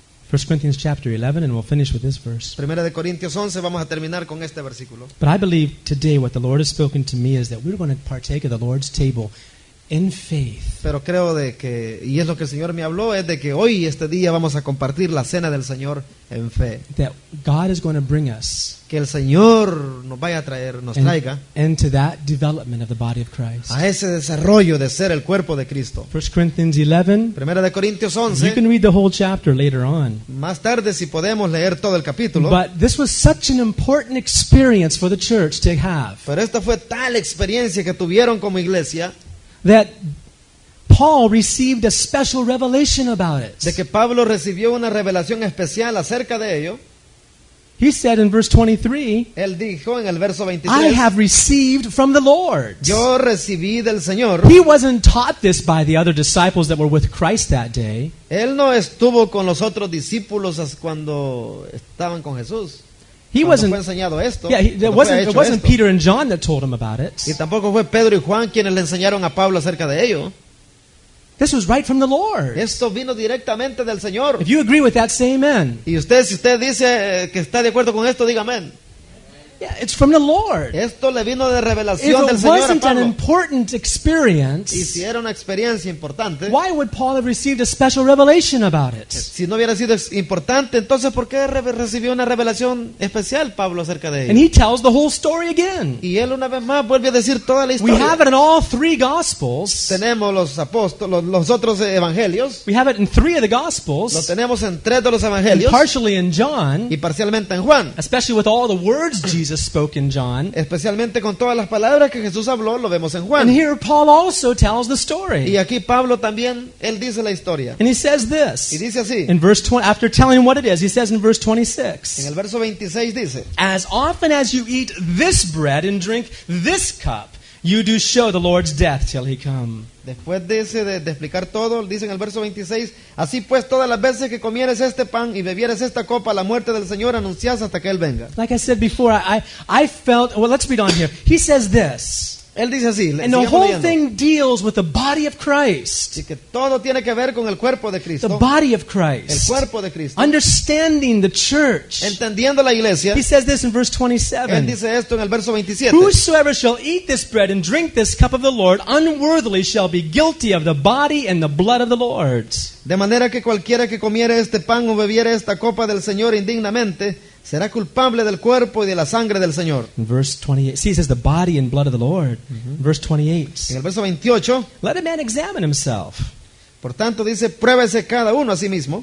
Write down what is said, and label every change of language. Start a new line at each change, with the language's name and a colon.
English: 1 Corinthians chapter 11, and we'll finish with this verse.
Spanish: Primera de Corintios 11, vamos a terminar con este versículo.
English: But I believe today what the Lord has spoken to me is that we're going to partake of the Lord's table in faith.
Spanish: Pero creo de que, y es lo que el Señor me habló, es de que hoy, este día, vamos a compartir la cena del Señor en fe.
English: That God is going to bring us.
Spanish: Que el Señor nos vaya a traer, nos traiga.
English: Into that development of the body of Christ.
Spanish: A ese desarrollo de ser el cuerpo de Cristo.
English: 1 Corinthians 11.
Spanish: Primera de Corintios 11.
English: You can read the whole chapter later on.
Spanish: Más tarde si podemos leer todo el capítulo.
English: But this was such an important experience for the church to have.
Spanish: Pero esta fue tal experiencia que tuvieron como iglesia.
English: That Paul received a special revelation about it.
Spanish: De que Pablo recibió una revelación especial acerca de ello.
English: He said in verse 23,
Spanish: él dijo en el verso 23,
English: I have received from the Lord.
Spanish: Yo recibí del Señor.
English: He wasn't taught this by the other disciples that were with Christ that day.
Spanish: Él no estuvo con los otros discípulos cuando estaban con Jesús.
English: He wasn't,
Spanish: fue enseñado esto,
English: yeah, it wasn't
Spanish: esto.
English: Peter and John that told him about it.
Spanish: Y tampoco fue Pedro y Juan quienes le enseñaron a Pablo acerca de ello.
English: This was right from the Lord.
Spanish: Esto vino directamente del Señor.
English: If you agree with that, say amen.
Spanish: Y usted, si usted dice que está de acuerdo con esto, diga amén.
English: Yeah, it's from the Lord.
Spanish: Esto le vino de revelación
English: if it
Spanish: del Señor
English: wasn't
Spanish: a Pablo.
English: An important experience,
Spanish: y si era una experiencia importante,
English: why would Paul have received a special revelation about it?
Spanish: Si no hubiera sido importante, entonces ¿por qué recibió una revelación especial Pablo acerca de él?
English: And he tells the whole story again.
Spanish: Y él una vez más vuelve a decir toda la historia.
English: We have it in all three gospels.
Spanish: Tenemos los apóstoles, los otros evangelios.
English: We have it in three of the gospels.
Spanish: Lo tenemos en tres de los evangelios.
English: Partially in John.
Spanish: Y parcialmente en Juan.
English: Especially with all the words Jesus spoke in John.
Spanish: Especialmente con todas las palabras que Jesús habló, lo vemos en Juan.
English: And here Paul also tells the story.
Spanish: Y aquí Pablo también, él dice la historia.
English: And he says this.
Spanish: Y dice así.
English: In verse 20, after telling him what it is, he says in verse 26.
Spanish: En el verso 26 dice.
English: As often as you eat this bread and drink this cup, you do show the Lord's death till he come.
Spanish: Después de explicar todo, dice en el verso 26, así pues todas las veces que comieres este pan y bebieres esta copa, la muerte del Señor anuncias hasta que Él venga.
English: Like I said before, I felt, well let's read on here. He says this.
Spanish: Él dice así,
English: and the whole
Spanish: leyendo.
English: Thing deals with the body of Christ.
Spanish: Y que todo tiene que ver con el cuerpo de Cristo.
English: The body of Christ.
Spanish: El cuerpo de Cristo.
English: Understanding the church.
Spanish: Entendiendo la iglesia.
English: He says this in verse 27.
Spanish: Él dice esto en el verso 27.
English: Whosoever shall eat this bread and drink this cup of the Lord unworthily shall be guilty of the body and the blood of the Lord.
Spanish: De manera que cualquiera que comiere este pan o bebiere esta copa del Señor indignamente será culpable del cuerpo y de la sangre del Señor.
English: In verse 28, see, it says the body and blood of the Lord. Mm-hmm. Verse 28.
Spanish: En el verso 28.
English: Let a man examine himself.
Spanish: Por tanto, dice, pruébese cada uno a sí mismo.